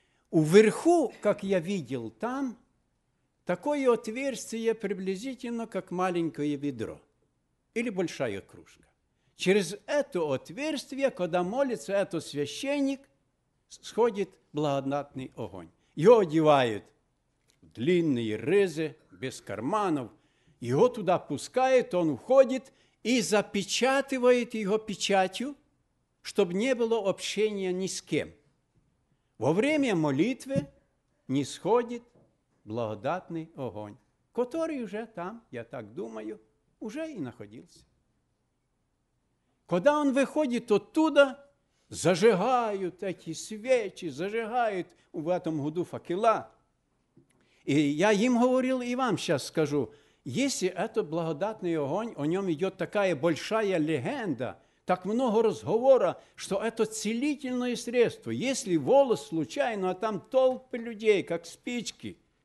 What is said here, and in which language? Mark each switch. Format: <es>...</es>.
<ru>Уверху, как я видел там, такое отверстие приблизительно, как маленькое ведро или большая кружка. Через это отверстие, когда молится этот священник, сходит благодатный огонь. Его одевают в длинные рызы, без карманов,</ru> <uk>його туди пускають, він входить і запечатує його печатью, щоб не було общення ні з ким. Во время молитви не сходить благодатний огонь, який вже там, я так думаю, вже і знаходився. Коли він виходить оттуда, зажигають ці свечі, зажигають у цьому году факела. І я їм говорив, і вам зараз скажу,</uk> <ru>если этот благодатный огонь, о нем идет такая большая легенда, так много разговора, что это целительное средство. Если волос случайно, а там толпы людей, как спички.</ru>